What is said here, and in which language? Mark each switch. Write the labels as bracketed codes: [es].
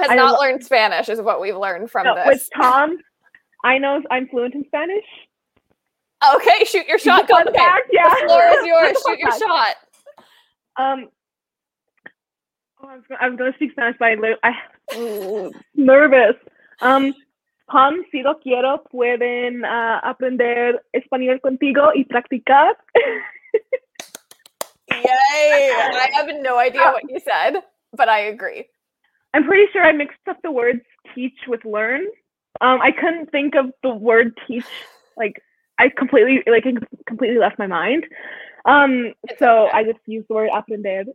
[en] has not learned Spanish is what we've learned from this. With Tom, I know I'm fluent in Spanish. Okay, shoot your shot. Go back. Yeah. The floor is yours. Shoot your shot. I was going to speak Spanish, but nervous. [es] Tom, si lo quiero, pueden aprender español contigo y practicar. Yay! [en] I have no idea what you said, but I agree. I'm pretty sure I mixed up the words teach with learn. I couldn't think of the word teach. Like, I completely left my mind. I just used the word aprender.